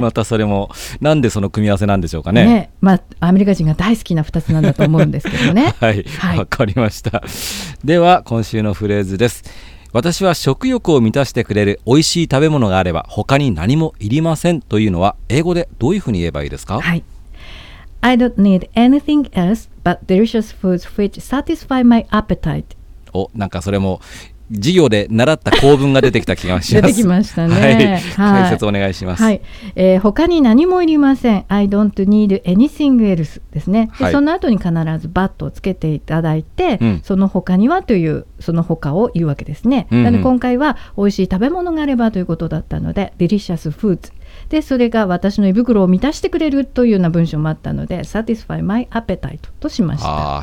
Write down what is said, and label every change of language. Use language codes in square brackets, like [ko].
[ja] またそれもなんでその組み合わせなんでしょうか ね、アメリカ人が大好きな2つなんだと思うんですけどね。はい、わかりました。では今週のフレーズです。私は食欲を満たしてくれる美味しい食べ物があれば他に何もいりませんというのは、英語でどういうふうに言えばいいですか？ [en] I don't need anything else but delicious foods which satisfy my appetite。 [ja] お、なんかそれも授業で習った構文が出てきた気がします。出てきましたね、解説お願いします。他に何もいりません。 [en] I don't need anything else [ja] ですね、で、その後に必ず but をつけていただいて、その他にはという、その他を言うわけですね、なので今回は美味しい食べ物があればということだったので、 [en] delicious foods [ja] で、それが私の胃袋を満たしてくれるというような文章もあったので、 [en] satisfy my appetite [ja] としました。